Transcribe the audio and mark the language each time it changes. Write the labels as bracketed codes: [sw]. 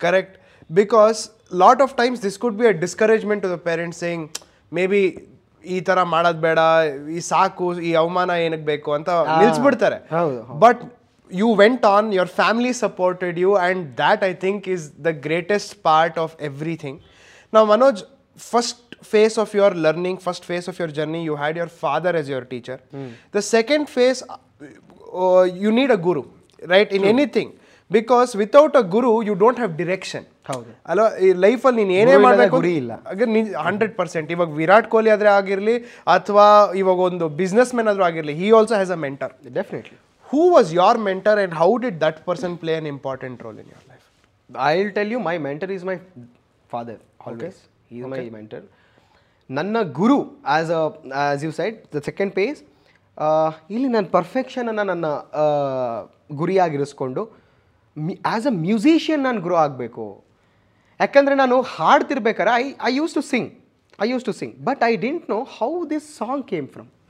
[en] correct because lot of times this could be a discouragement to the parents saying maybe [kn] ಈ ಥರ ಮಾಡೋದು ಬೇಡ ಈ ಸಾಕು ಈ ಅವಮಾನ ಏನಕ್ಕೆ ಬೇಕು ಅಂತ ನಿಲ್ಲಿಸ್ಬಿಡ್ತಾರೆ [en] but you went on your family supported you and that I think is the greatest part of everything [kn] ನಾವು [en] Manoj first phase of your learning, first phase of your journey, you had your father as your teacher. The second phase, you need a guru, right? In anything. Because without a guru, you don't have direction. [kn] ಹೌದು ಅಲ್ಲ ಲೈಫಲ್ಲಿ ನೀನು ಏನೇ ಮಾಡಬೇಕು ಗುರಿ ಇಲ್ಲ ಅಗರ್ ನೀ 100% ಇವಾಗ ವಿರಾಟ್ ಕೊಹ್ಲಿ ಆದರೆ ಆಗಿರಲಿ ಅಥವಾ ಇವಾಗ ಒಂದು ಬಿಸ್ನೆಸ್ ಮ್ಯಾನ್ ಆದರೂ ಆಗಿರಲಿ [en] he also has a mentor definitely who was your mentor and how did that person play an important role in your life I will tell you my mentor is my father always he is my mentor [kn] ನನ್ನ ಗುರು [en] as a as you said the second phase [kn] ಇಲ್ಲಿ ನನ್ನ ಪರ್ಫೆಕ್ಷನನ್ನು ನನ್ನ ಗುರಿಯಾಗಿರಿಸ್ಕೊಂಡು as a musician ನಾನು ಗುರು ಆಗಬೇಕು ಯಾಕಂದರೆ ನಾನು ಹಾಡ್ತಿರ್ಬೇಕಾರೆ [en] I used to sing but I didn't know how this song came from